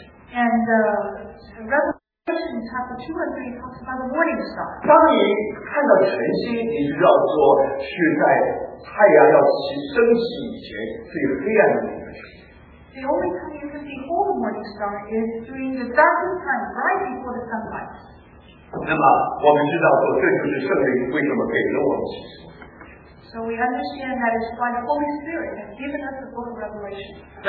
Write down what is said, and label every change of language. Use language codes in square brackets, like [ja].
[en] And the Revelation, especially, shows that the vision of the Christ is the second. The only time you can behold the morning star is during the darkest time, right before the sunrise. [zh] 那么我们知道说，这就是圣灵为什么给了我们启示。 [en] So we understand that is why the Holy Spirit has given us the Book of Revelation.